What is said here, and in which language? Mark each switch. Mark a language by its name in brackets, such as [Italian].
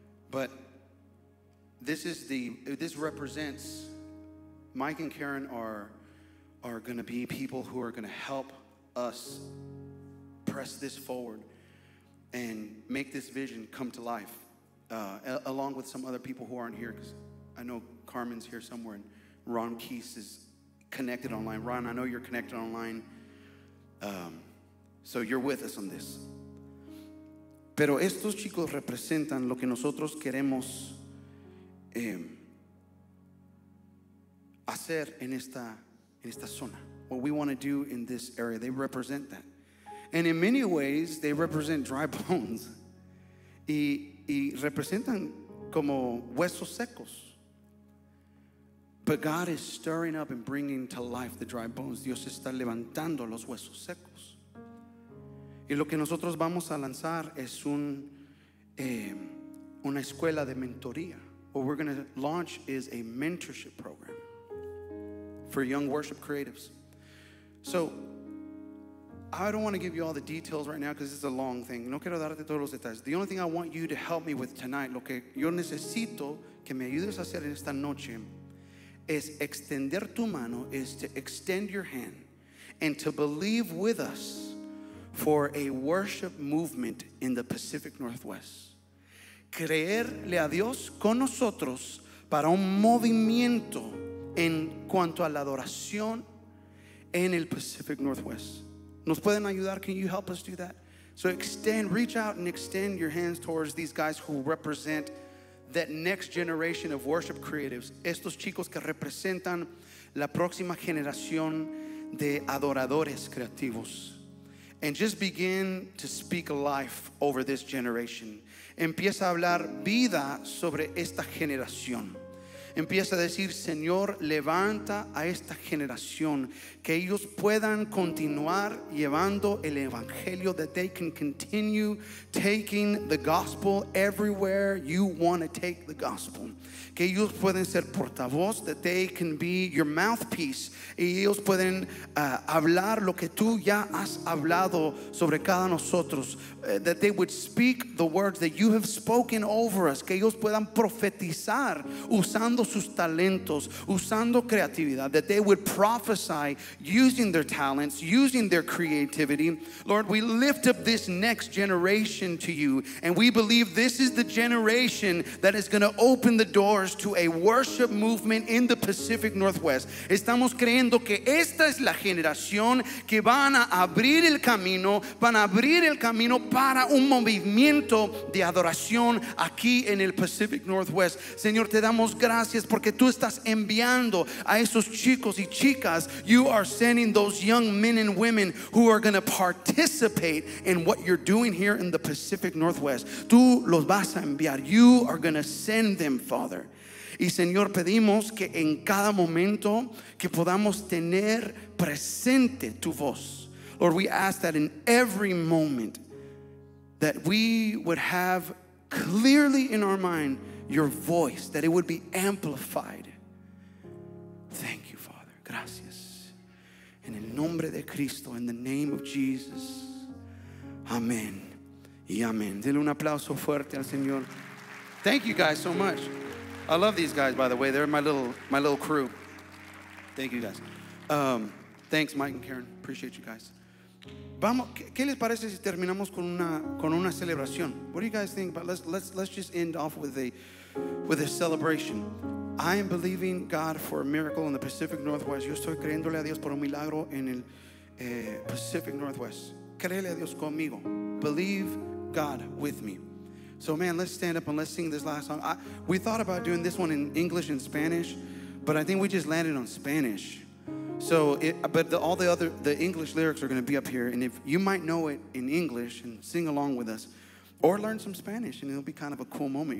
[English] But this represents, Mike and Karen are going to be people who are going to help us press this forward and make this vision come to life, along with some other people who aren't here, because I know Carmen's here somewhere and Ron Keese is connected online. Ron, I know you're connected online, so you're with us on this. [Spanish] Pero estos chicos representan lo que nosotros queremos hacer en esta zona. [English] What we want to do in this area, they represent that. And in many ways, they represent dry bones. [Spanish] Y representan como huesos secos. [English] But God is stirring up and bringing to life the dry bones. [Spanish] Dios está levantando los huesos secos. Y lo que nosotros vamos a lanzar es una escuela de mentoría. [English] What we're going to launch is a mentorship program for young worship creatives. So, I don't want to give you all the details right now because it's a long thing. [Spanish] No quiero darte todos los detalles. [English] The only thing I want you to help me with tonight, [Spanish] lo que yo necesito que me ayudes a hacer en esta noche es extender tu mano, [English] is to extend your hand and to believe with us for a worship movement in the Pacific Northwest. [Spanish] Creerle a Dios con nosotros para un movimiento en cuanto a la adoración en el Pacific Northwest. ¿Nos pueden ayudar? [English] Can you help us do that? So extend, reach out and extend your hands towards these guys who represent that next generation of worship creatives. [Spanish] Estos chicos que representan la próxima generación de adoradores creativos. [English] And just begin to speak life over this generation. [Spanish] Empieza a hablar vida sobre esta generación. empieza a decir: Señor, levanta a esta generación, que ellos puedan continuar llevando el evangelio, [English] that they can continue taking the gospel [Spanish] everywhere you want to take the gospel. Que ellos pueden ser portavoz, [English] that they can be your mouthpiece, [Spanish] y ellos pueden hablar lo que tú ya has hablado sobre cada nosotros. [English] That they would speak the words that you have spoken over us. [Spanish] Que ellos puedan profetizar usando sus talentos, usando creatividad. [English] That they would prophesy using their talents, using their creativity. Lord, we lift up this next generation to you, and we believe this is the generation that is going to open the doors to a worship movement in the Pacific Northwest. [Spanish] Estamos creyendo que esta es la generación que van a abrir el camino, van a abrir el camino para un movimiento de adoración aquí en el Pacific Northwest. Señor, te damos gracias porque tú estás enviando a esos chicos y chicas. [English] You are sending those young men and women who are going to participate in what you're doing here in the Pacific Northwest. [Spanish] Tú los vas a enviar. [English] You are going to send them, Father. [Spanish] Y Señor, pedimos que en cada momento que podamos tener presente tu voz. [English] Lord, we ask that in every moment that we would have clearly in our mind your voice, that it would be amplified. Thank you, Father. [Spanish] Gracias. En el nombre de Cristo, [English] in the name of Jesus. Amen. Y amen. [Spanish] Dele un aplauso fuerte al Señor. [English] Thank you guys so much. I love these guys, by the way. They're my little crew. Thank you guys. Thanks, Mike and Karen. Appreciate you guys. [Spanish] Vamos, ¿qué les parece si terminamos con una celebración? [English] What do you guys think about? Let's just end off with a celebration. I am believing God for a miracle in the Pacific Northwest. [Spanish] Yo estoy creyéndole a Dios por un milagro en el Pacific Northwest. Créele a Dios conmigo. [English] Believe God with me. So man, let's stand up and let's sing this last song. We thought about doing this one in English and Spanish, but I think we just landed on Spanish. So, all the English lyrics are going to be up here, and if you might know it in English and sing along with us, or learn some Spanish, and it'll be kind of a cool moment.